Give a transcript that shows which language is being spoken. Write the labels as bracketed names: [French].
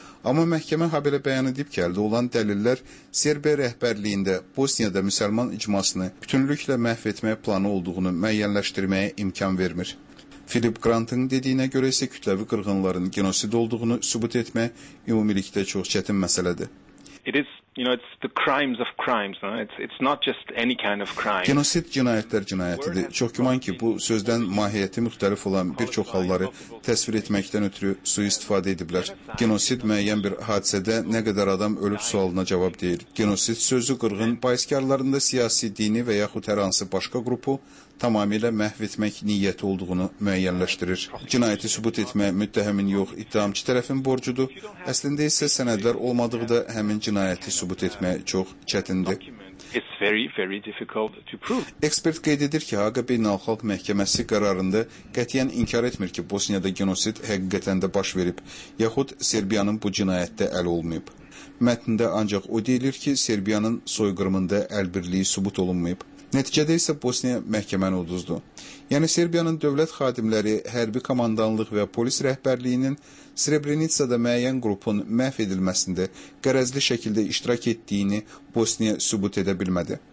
[Azerbaijani] Amma məhkəmə habelə bəyan edib ki, əldə olan dəlillər Serbiya rəhbərliyində Bosniyada müsəlman icmasını bütünlüklə məhv etmək planı olduğunu müəyyənləşdirməyə imkan vermir. Filip Grant'ın dediyinə görə isə kütləvi qırğınların genosid olduğunu sübut etmək ümumilikdə çox çətin məsələdir. [English] It is, you know, it's the crimes of crimes, no? It's not just any kind of crime. [Azerbaijani] Genosid cinayətlər cinayətidir. Çox güman ki, bu sözdən mahiyyəti müxtəlif olan bir çox halları təsvir etməkdən ötürü sui-istifadə ediblər. Genosid müəyyən bir hadisədə nə qədər adam ölüb sualına cavab deyil. Genosid sözü qırğın bayiskarlarında siyasi, dini və yaxud hər hansı başqa qrupu tamamilə məhv etmək niyyəti olduğunu müəyyənləşdirir. Cinayəti sübut etmək müttəhəmin yox, iddiamçı tərəfin borcudur. Əslində isə sənədlər olmadığı da həmin cinayəti sübut etmək çox çətindir. [English] It's very, very difficult to prove. [Azerbaijani] Ekspert qeyd edir ki, Haqqı Beynəlxalq Məhkəməsi qərarında qətiyyən inkar etmir ki, Bosniyada genosid həqiqətən də baş verib, yaxud Serbiyanın bu cinayətdə əl olmayıb. Mətndə ancaq o deyilir ki, Serbiyanın soyqırımında əl birliyi sübut olunmayıb. Nəticədə isə Bosniya məhkəməni uduzdu. Yəni, Serbiyanın dövlət xadimləri, hərbi komandanlıq və polis rəhbərliyinin Srebrenitsada müəyyən qrupun məhv edilməsində qərəzli şəkildə iştirak etdiyini Bosniya sübut edə bilmədi.